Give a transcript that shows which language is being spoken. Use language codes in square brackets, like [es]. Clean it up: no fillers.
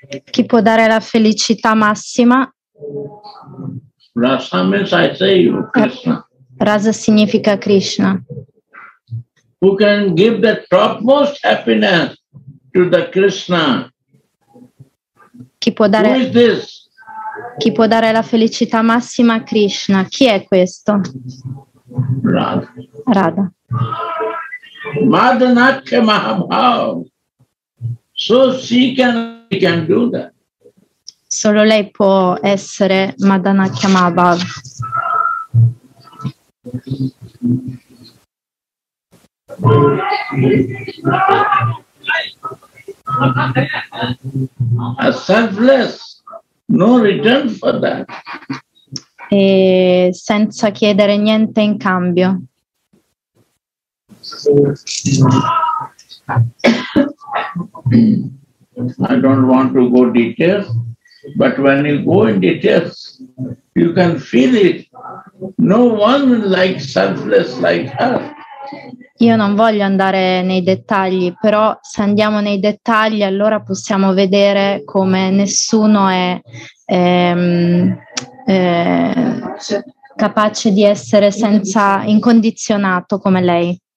[it] Chi può dare la felicità massima? [en] Rasa means I say you, Krishna. [it] Rasa significa Krishna. [en] Who can give the topmost happiness to the Krishna? [it] Chi può dare? [en] Who is this? [it] Chi può dare la felicità massima a Krishna? Chi è questo? Radha. Madanatya [en] Mahabhav. So she can do that. [it] Solo lei può essere Madanatya Mahabhav. [en] A selfless, no return for that. [it] E senza chiedere niente in cambio. [en] I don't want to go details, but when you go in details, you can feel it. No one like selfless like her. [it] Io non voglio andare nei dettagli, però se andiamo nei dettagli, allora possiamo vedere come nessuno è capace di essere senza incondizionato come lei.